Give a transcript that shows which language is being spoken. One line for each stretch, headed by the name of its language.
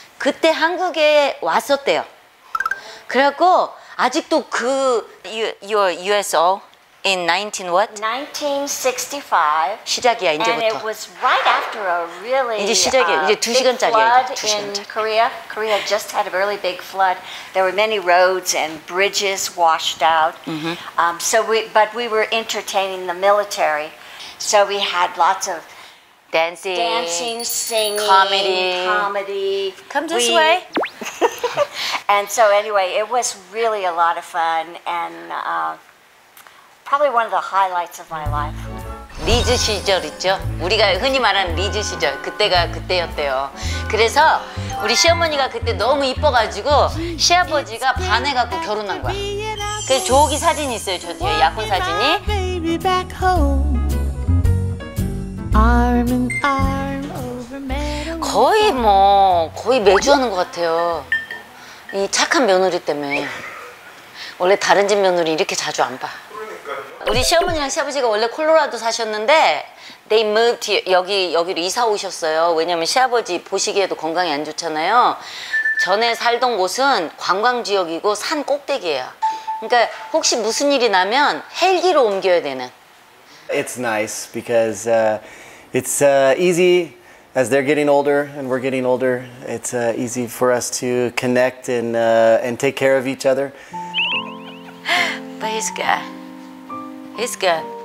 Korean: 그때 한국에 왔었대요. 그래갖고 아직도 그
English: your USO in 19 what? 1965
Korean: 시작이야 이제부터.
English: And it was right after a really
Korean: 이제 시작이야 이제 두 시간짜리
English: 2시간. Korea just had a really big flood. There were many roads and bridges washed out. Mm-hmm. So we were entertaining the military. So we had lots of dancing, singing, comedy. Come this way. And so anyway, it was really a lot of fun and probably one of the highlights of my life.
Korean: 리즈 시절 있죠? 우리가 흔히 말하는 리즈 시절. 그때가 그때였대요. 그래서 우리 시어머니가 그때 너무 이뻐가지고 시아버지가 반해갖고 결혼한 거야. 그래서 조기 사진이 있어요. 저 뒤에 약혼 사진이.
English: Baby back home. Arm in arm over meadow.
Korean: 거의 매주 하는 것 같아요. 이 착한 며느리 때문에. 원래 다른 집 며느리 이렇게 자주 안 봐. 우리 시어머니랑 시아버지가 원래 콜로라도 사셨는데
English: they moved
Korean: 여기로 이사 오셨어요. 왜냐면 시아버지 보시기에도 건강이 안 좋잖아요. 전에 살던 곳은 관광지역이고 산 꼭대기예요. 그러니까 혹시 무슨 일이 나면 헬기로 옮겨야 되는.
English: It's nice because it's easy as they're getting older and we're getting older. It's easy for us to connect and take care of each other. But it's good. It's good.